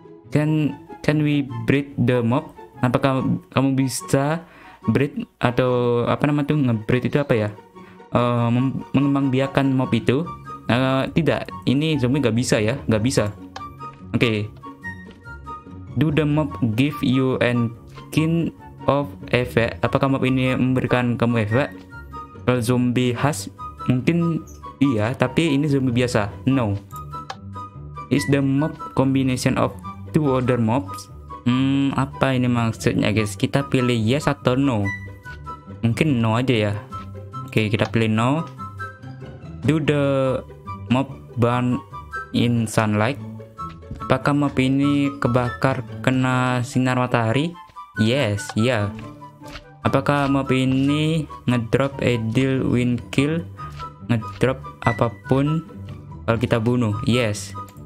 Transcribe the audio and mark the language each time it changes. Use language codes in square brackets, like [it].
[en] Can we breed the mob? [id] Apakah kamu bisa breed atau apa nama tuh, nge-breed itu apa ya? Mengembangbiakan mob itu? Tidak, ini zombie enggak bisa ya, enggak bisa. Oke. [en] Okay. Do the mob give you an kind of effect? [id] Apakah mob ini memberikan kamu efek? Kalau zombie khas mungkin iya, tapi ini zombie biasa. No. [en] Is the mob combination of two other mobs? [id] Apa ini maksudnya guys? Kita pilih yes atau no. Mungkin no aja ya. Oke, kita pilih no. [en] Do the mob burn in sunlight? [id] Apakah mob ini kebakar kena sinar matahari? Yes, iya. Yeah. Apakah mob ini ngedrop edil win kill, ngedrop apapun kalau kita bunuh? Yes.